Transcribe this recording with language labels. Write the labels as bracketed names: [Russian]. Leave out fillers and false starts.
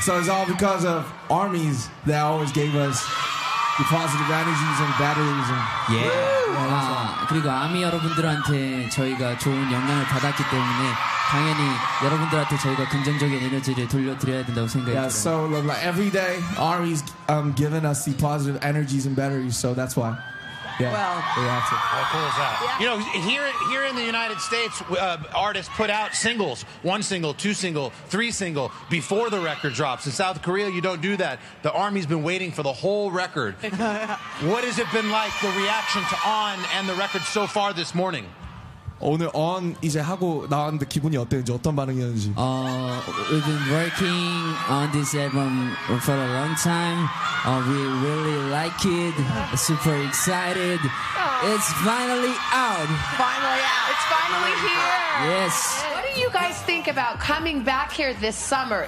[English] So it's all because of armies that always gave us the positive energies and batteries. And yeah. [Korean] 아, 그리고 아미 여러분들한테 저희가 좋은 영향을 받았기 때문에 당연히 여러분들한테 저희가 긍정적인 에너지를 돌려드려야 된다고 생각이 [English] yeah, Yeah, so like every day, Army's given us the positive energies and batteries, so that's why. Yeah, well, we have to. How cool is that? Yeah. You know, here in the United States, artists put out singles, one single, two single, three single, before the record drops. In South Korea, you don't do that. The Army's been waiting for the whole record. What has it been like, the reaction to On and the record so far this morning? [Korean] 오늘 on 이제 하고 나왔는데 기분이 어땠는지 어떤 반응이었는지. [English] We've been working on this album for a long time. We really like it. Super excited. Aww. It's finally out. Finally out. It's finally here. Yes. What do you guys think about coming back here this summer?